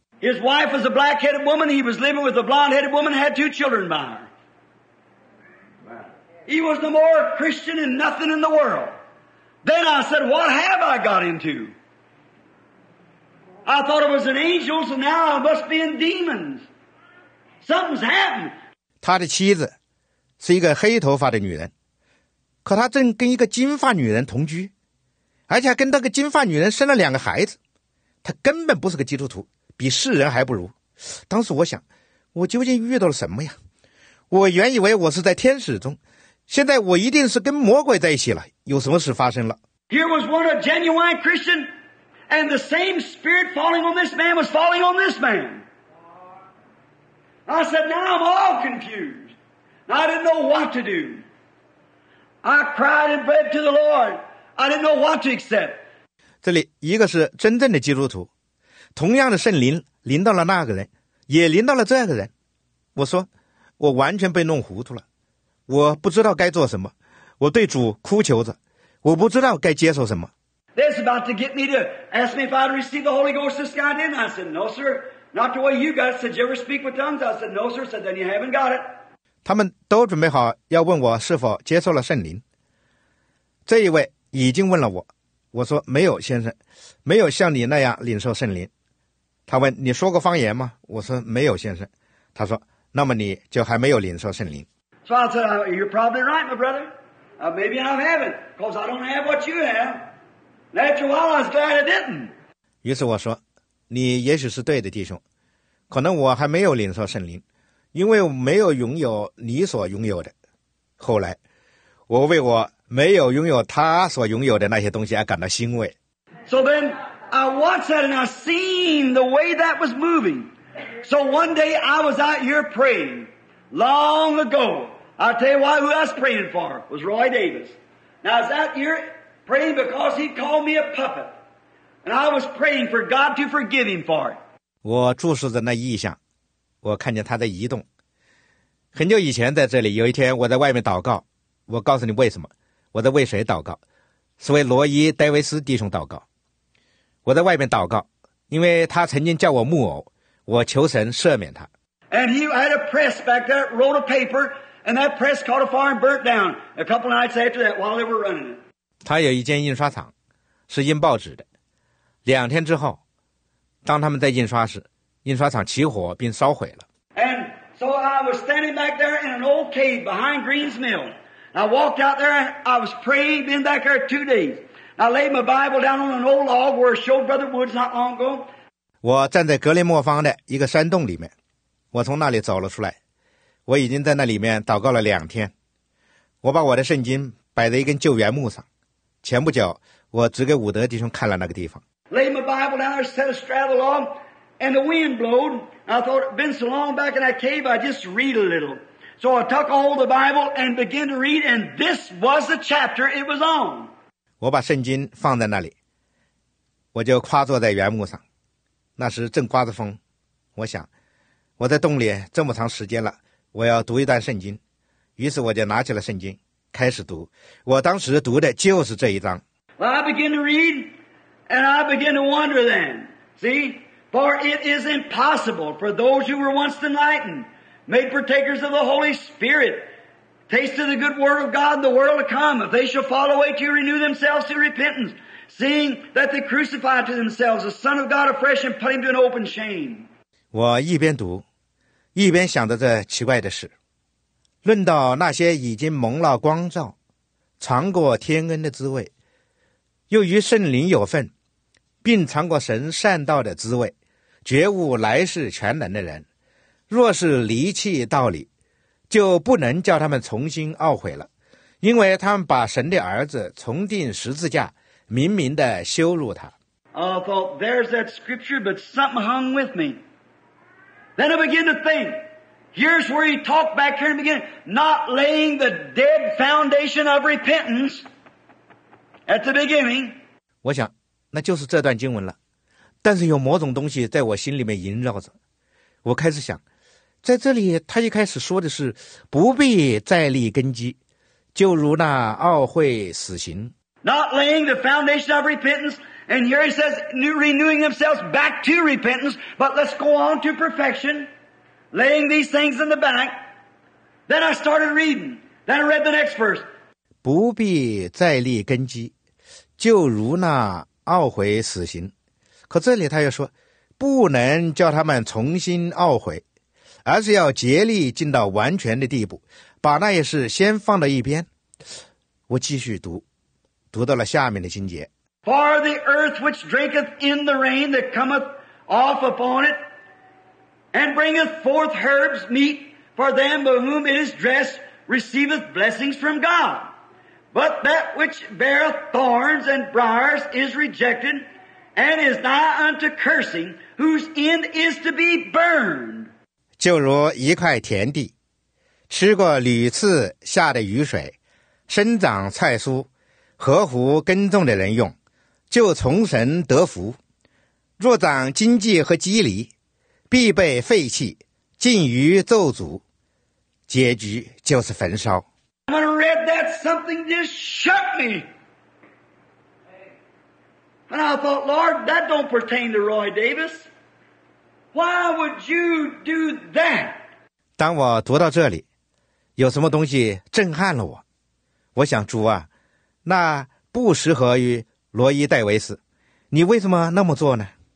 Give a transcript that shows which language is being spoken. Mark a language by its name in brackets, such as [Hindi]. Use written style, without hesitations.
[English] His wife was a black-headed woman. He was living with a blonde-headed woman. Had two children by her. He was no more Christian than nothing in the world. Then I said, "What have I got into?" I thought it was an angel, so now I must be in demons. Something's happened. [Chinese] 他的妻子是一个黑头发的女人，可他正跟一个金发女人同居，而且跟那个金发女人生了两个孩子。他根本不是个基督徒，比世人还不如。当时我想，我究竟遇到了什么呀？我原以为我是在天使中，现在我一定是跟魔鬼在一起了。有什么事发生了？ [English] Here was one a genuine Christian, and the same spirit falling on this man was falling on this man. I said, "Now I'm all confused. I didn't know what to do. I cried and prayed to the Lord. I didn't know what to accept." [Chinese] 这里一个是真正的基督徒，同样的圣灵临到了那个人，也临到了这个人。我说，我完全被弄糊涂了，我不知道该做什么，我对主哭求着，我不知道该接受什么。 [English] They're about to get me to ask me if I'd receive the Holy Ghost this guy then. I said, "No, sir, not the way you got it." Said, "Did you ever speak with tongues?" I said, "No, sir." Said, "Then you haven't got it." [Chinese] 他们都准备好要问我是否接受了圣灵，这一位已经问了我。我说没有，先生，没有像你那样领受圣灵。他问你说过方言吗？我说没有，先生。他说那么你就还没有领受圣灵。 [English] So I said, "You're probably right, my brother. Maybe I haven't, because I don't have what you have." After a while, I was glad I didn't. [Chinese] 于是我说，你也许是对的，弟兄。可能我还没有领受圣灵，因为我没有拥有你所拥有的。后来，我为我没有拥有他所拥有的那些东西而感到欣慰。 [English] So then I watched that and I seen the way that was moving. So one day I was out here praying long ago. I tell you why, who I was praying for was Roy Davis. Now I was out here praying because he called me a puppet. And I was praying for God to forgive him for it. [Chinese] 我注视着那异象，我看见他在移动。很久以前在这里，有一天我在外面祷告，我告诉你为什么。我在为谁祷告？是为罗伊·戴维斯弟兄祷告。我在外面祷告，因为他曾经叫我木偶，我求神赦免他。 [English] And he had a press back there, wrote a paper, and that press caught a fire and burnt down a couple nights after that while they were running it. [Chinese] 他有一间印刷厂，是印报纸的。两天之后，当他们在印刷时，印刷厂起火并烧毁了。 [English] And so I was standing back there in an old cave behind Green's Mill. I walked out there and I was praying, been back there 2 days. I laid my Bible down on an old log where I showed Brother Woods not long ago. [Chinese] 我站在格林莫方的一个山洞里面，我从那里走了出来。我已经在那里面祷告了两天。我把我的圣经摆在一根旧原木上。前不久，我指给伍德弟兄看了那个地方。 [English] Laid my Bible down there, set a straddle log, and the wind blowed. I thought, been so long back in that cave, I just read a little. So I took all the Bible and began to read, and this was the chapter it was on. [Chinese] 我把圣经放在那里，我就跨坐在原木上。那时正刮着风，我想我在洞里这么长时间了，我要读一段圣经。于是我就拿起了圣经，开始读。我当时读的就是这一章。 [English] Well, I began to read, and I began to wonder then. See? For it is impossible for those who were once enlightened, made partakers of the Holy Spirit, taste of the good word of God in the world to come, if they shall fall away to renew themselves to repentance, seeing that they crucify to themselves the Son of God afresh and put him to an open shame. [Chinese] 我一边读，一边想着这奇怪的事。论到那些已经蒙了光照，尝过天恩的滋味，又与圣灵有份，并尝过神善道的滋味，觉悟来世全能的人，若是离弃道理，就不能叫他们重新懊悔了，因为他们把神的儿子重钉十字架，明明地羞辱他。 [English] There's that scripture, but something hung with me. Then I begin to think, here's where he talked back here in the beginning, not laying the dead foundation of repentance at the beginning. [Chinese] 我想，那就是这段经文了。但是有某种东西在我心里面萦绕着，我开始想，在这里他一开始说的是不必再立根基，就如那懊悔死刑。 [English] Not laying the foundation of repentance, and here he says, renewing themselves back to repentance, but let's go on to perfection, laying these things in the back. Then I started reading. Then I read the next verse. [Chinese] 不必再立根基，就如那懊悔死刑。可这里他又说，不能叫他们重新懊悔，而是要竭力尽到完全的地步，把那些事先放到一边。我继续读。读到了下面的经节。 [English] For the earth which drinketh in the rain that cometh off upon it, and bringeth forth herbs meet for them by whom it is dressed, receiveth blessings from God. But that which beareth thorns and briars is rejected, and is nigh unto cursing, whose end is to be burned. [Chinese] 就如一块田地，吃过屡次下的雨水，生长菜蔬，合乎耕种的人用，就从神得福。若长荆棘和蒺藜，必被废弃，尽于咒诅，结局就是焚烧。 [English] When I read that, something just shook me. And I thought, Lord, that don't pertain to Roy Davis. Why would you do that? [Chinese] 当我读到这里，有什么东西震撼了我？我想，主啊，那不适合于罗伊·戴维斯，你为什么那么做呢？